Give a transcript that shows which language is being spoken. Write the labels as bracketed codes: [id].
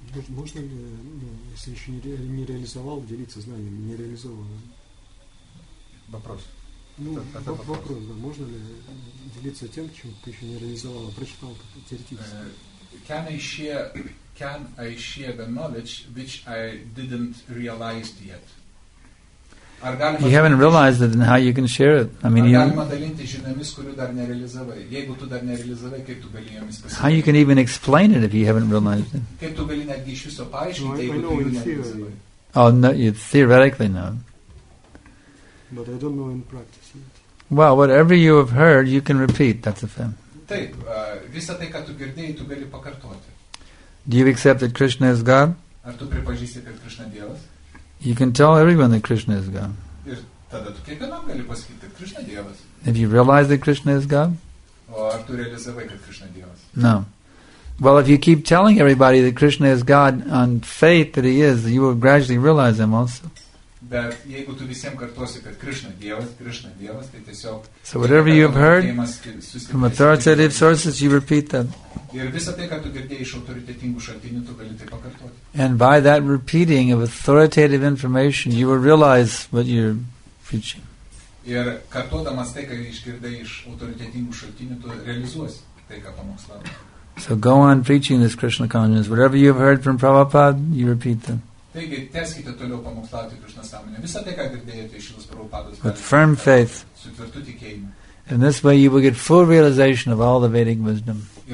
[ru] Можно ли, если еще не реализовал, делиться знанием, не реализовано? Вопрос. Ну, это вопрос, да. Можно ли делиться тем, чем ты еще не реализовал, а прочитал теоретически? [en] Can I share the knowledge which I didn't realize yet? You haven't realized it, and how you can share it? I mean, how you can even explain it if you haven't realized it? Theoretically, no. But I don't know in practice yet. Well, whatever you have heard, you can repeat. That's a fact. [lt] Visa tai, ką tu girdėjai, tu gali pakartoti. [en] Do you accept that Krishna is God? [lt] Ar tu pripažįsti, kad Krishna Dievas? [en] You can tell everyone that Krishna is God. [lt] Ir tada tu kiekvienam gali pasakyti, kad Krishna Dievas. [en] Have you realized that Krishna is God? [lt] O ar tu realizavai, kad Krishna Dievas? [en] No. Well, if you keep telling everybody that Krishna is God on faith that he is, you will gradually realize him also. [lt] Bet jeigu tu visiem kartuosi, kad Krishna Dievas, Krishna Dievas, tai tiesiog... [en] So whatever you have heard from authoritative sources, you repeat them. [lt] Ir visą tai, ką tu girdėjai iš autoritetingų šaltinių, tu gali tai pakartoti. [en] And by that repeating of authoritative information, you will realize what you're preaching. [lt] Ir kartuodamas tai, ką išgirdai iš autoritetingų šaltinių, tu realizuosi tai, ką pamokslavai. [en] So go on preaching this Krishna consciousness. Whatever you have heard from Prabhupada, you repeat them. With firm faith. In this way you will get full realization of all the Vedic wisdom.